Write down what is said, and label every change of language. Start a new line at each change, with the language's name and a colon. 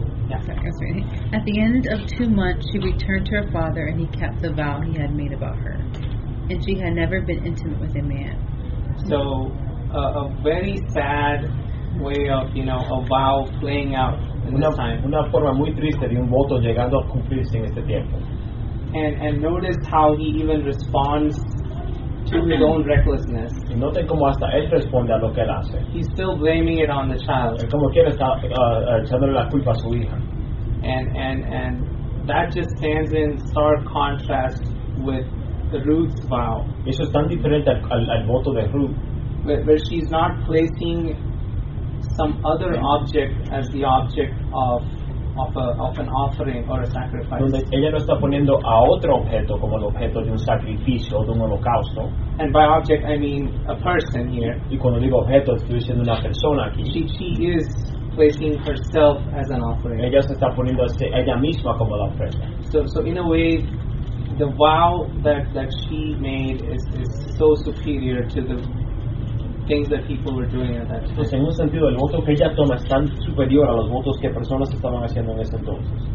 English: At the end of 2 months, she returned to her father, and he kept the vow he had made about her. And she had never been intimate with a man. So, a very sad way of, you know, a vow playing out in this time.
Spanish: Una forma muy triste de un voto llegando a cumplirse en este tiempo.
English: And notice how he even responds to his own recklessness.
Spanish: Noten cómo hasta él responde a lo que él hace.
English: He's still blaming it on the child.
Spanish: Como quiere estar echándole la culpa a su hija.
English: And that just stands in stark contrast with Ruth's vow.
Spanish: Eso es tan diferente al voto de Ruth.
English: Where she's not placing some other object as the object of an offering or a sacrifice.
Spanish: Donde ella no está poniendo a otro objeto como el objeto de un sacrificio o de un holocausto.
English: And by object I mean a person here.
Spanish: Y cuando digo objeto estoy diciendo una persona aquí.
English: She is placing herself as an offering.
Spanish: Ella se está poniendo ella misma como la ofrenda.
English: So in a way the vow that she made is so superior to the things that people were doing at that time.
Spanish: Pues en un sentido, el voto que ella toma es tan superior a los votos que personas estaban haciendo en ese entonces.